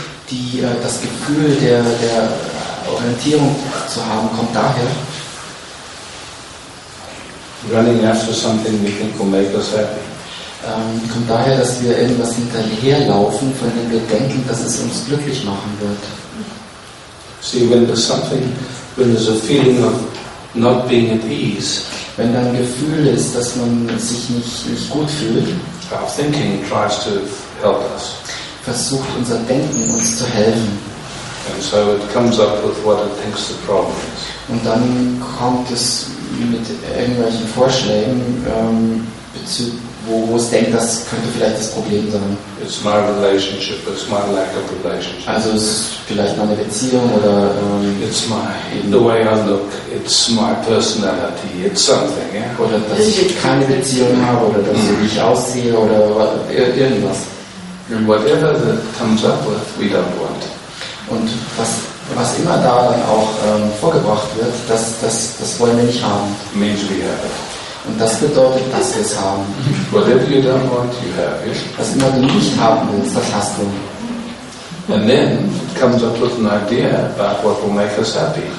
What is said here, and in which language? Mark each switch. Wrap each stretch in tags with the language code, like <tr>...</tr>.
<de>die, das Gefühl der Orientierung zu haben, kommt daher,</de> <en>running after something we think will make us happy.</en> <de>Kommt daher, dass wir irgendwas hinterherlaufen, von dem wir denken, dass es uns glücklich machen wird.</de> <en>See, when there's something, when there's a feeling of not being at ease,</en> <de>wenn da ein Gefühl ist, dass man sich nicht gut fühlt,</de> <en>our thinking tries to help us.</en> <de>Versucht unser Denken uns zu helfen.</de> <en>And so it comes up with what it thinks the problem is.</en> <de>Und dann kommt es mit irgendwelchen Vorschlägen, wo es denkt, das könnte vielleicht das Problem sein.</de> <en>It's my relationship, it's my lack of relationship.</en> <de>Also es ist vielleicht meine Beziehung oder</de> <en>it's my, the way I look, it's my personality, it's something, yeah?</en> <de>Oder dass ich keine Beziehung habe oder dass ich aussehe oder irgendwas.</de> <en>And whatever that comes up with, we don't want.</en> <de>Und was immer da dann auch vorgebracht wird, das wollen wir nicht haben.</de> <en>Means we have it.</en> <de>Und das bedeutet, dass wir es haben.</de> <en>Whatever you don't want, you have it.</en> <de>Was immer du nicht haben willst, das hast du.</de> <en>And then it comes up with an idea about what will make us happy.</en>